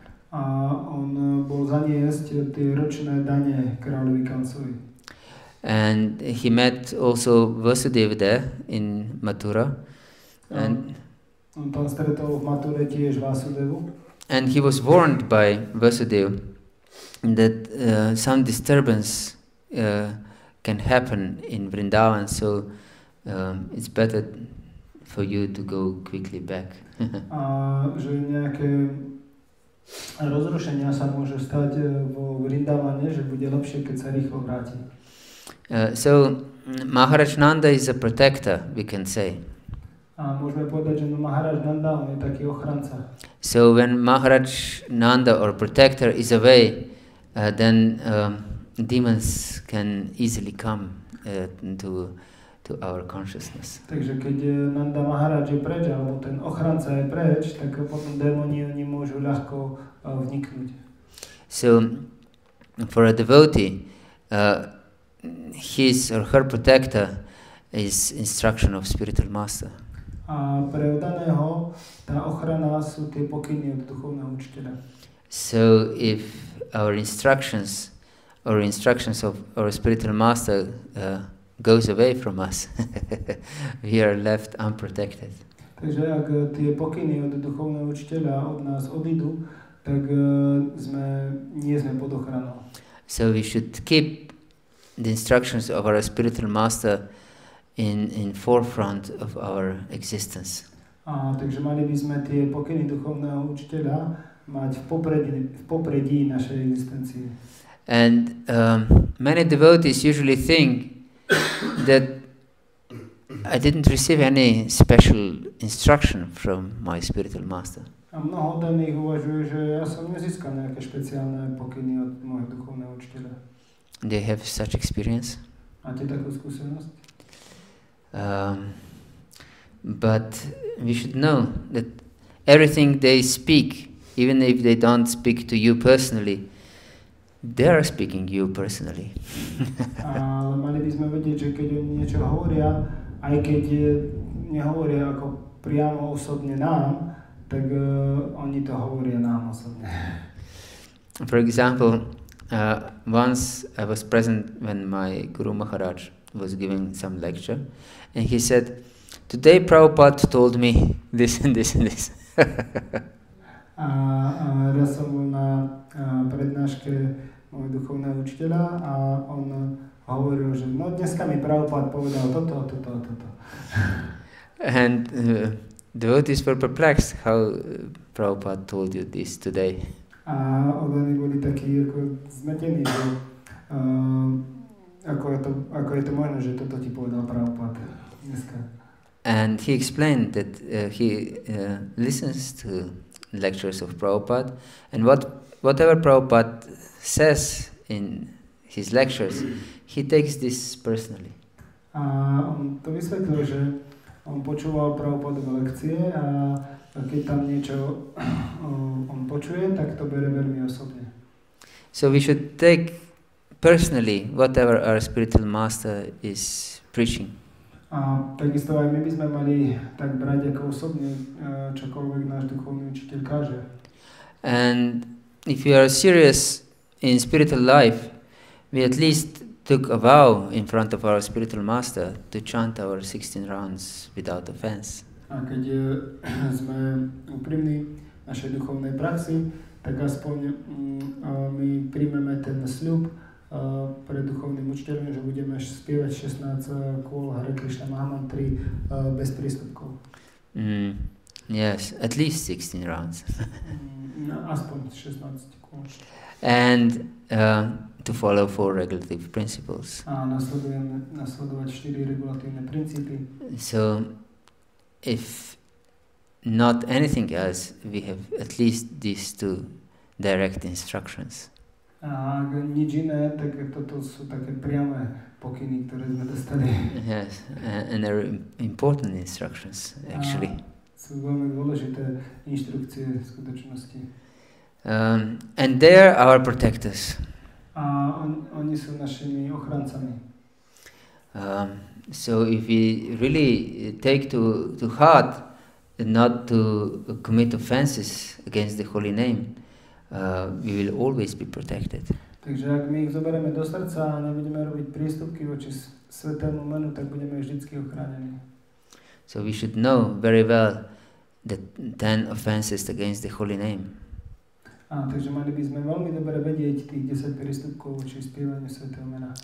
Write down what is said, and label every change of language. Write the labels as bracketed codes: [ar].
[sk] A on bol zaniesť tie ročné dane kráľovi Kamsovi. [en] And he met also Vasudeva there in Mathura. [sk] On tam stretol v Mathure tiež Vasudevu. [en] And he was warned by Vasudeva that some disturbance can happen in Vrindavan, so it's better for you to go quickly back. [sk] A že nejaké rozrušenia sa môže stať vo Vrindavane, že bude lepšie, keď sa rýchlo vráti. [en] So Maharaj Nanda is a protector, we can say. [sk] A môžeme povedať, že Maharaj Nanda, on je taký ochranca. [en] So when Maharaj Nanda or protector is away, then demons can easily come to our consciousness. [sk] Takže keď Nanda Maharaj je preč, alebo ten ochranca je preč, tak potom démoni oni môžu ľahko vniknúť. [en] So for a devotee, his or her protector is instruction of spiritual master. [sk] A pre daného tá ochrana sú tie pokyny od duchovného učiteľa. [en] So if our instructions or instructions of our spiritual master goes away from us, we are left unprotected. [sk] Takže ak tie pokyny od duchovného učiteľa od nás odídu, tak nie sme pod ochranou. [en] So we should keep the instructions of our spiritual master in forefront of our existence. [sk] A takže mali by sme tie pokyny duchovného učiteľa mať v popredí našej existencie. [en] And many devotees usually think that I didn't receive any special instruction from my spiritual master. [sk] A mnoho daných uvažuje, že ja som nezískal nejaké špeciálne pokyny od mojho duchovného učiteľa. [en] They have such experience. [sk] Máte takú skúsenosť? [en] But we should know that everything they speak, even if they don't speak to you personally, they are speaking you personally. [sk] Ale mali by sme vedieť, že keď oni niečo hovoria, aj keď nehovoria ako priamo osobne nám, tak oni to hovoria nám osobne. [en] For example, once I was present when my Guru Maharaj was giving some lecture, and he said, "Today Prabhupada told me this and this and this." [sk] Raz som bol na prednáške môjho duchovného učiteľa a on hovoril, že no dneska mi Prabhupada povedal toto a toto a toto. [en] And devotees were perplexed how Prabhupada told you this today. [sk] A oni boli takí ako zmetení, že ako je to možné, že toto ti povedal Prabhupada dneska. [en] And he explained that he listens to lectures of Prabhupada, and whatever Prabhupada says in his lectures, he takes this personally. [sk] On to vysvetlil, že on počúval Prabhupádové lekcie a keď tam niečo on počuje, tak to bere veľmi osobne. [en] So we should take personally whatever our spiritual master is preaching. [sk] A takisto aj my by sme mali tak brať ako osobne čokoľvek náš duchovný učiteľ káže. [en] And if you are serious in spiritual life, we at least took a vow in front of our spiritual master to chant our 16 rounds without offense. [sk] A keď sme úprimní našej duchovnej praxi, tak aspoň my príjmeme ten sľub pre duchovným učiteľom, že budeme spievať 16 kôl Hare Krishna Mahamantri bez prístupkov. [en] Yes, at least 16 rounds. [sk] Aspoň 16 kôl. [en] And to follow four regulative principles. [sk] A nasledovať 4 regulatívne princípy. [en] So, if not anything else, we have at least these two direct instructions. [sk] Ak nič iné, tak toto sú také priame pokyny, ktoré sme dostali. [en] Yes, and they're important instructions, actually. [sk] A sú veľmi dôležité inštrukcie v skutočnosti. [en] And they are our protectors. [sk] A oni sú našimi ochrancami. [en] So if we really take to heart not to commit offenses against the holy name, we will always be protected. [sk] Takže ak my ich zoberieme do srdca a nebudeme robiť prístupky voči svätému menu, tak budeme vždycky ochránení. [en] So we should know very well the 10 offenses against the holy name. [sk] A takže mali by sme veľmi dobre vedieť tých 10 prístupkov voči spievaniu svätého mena.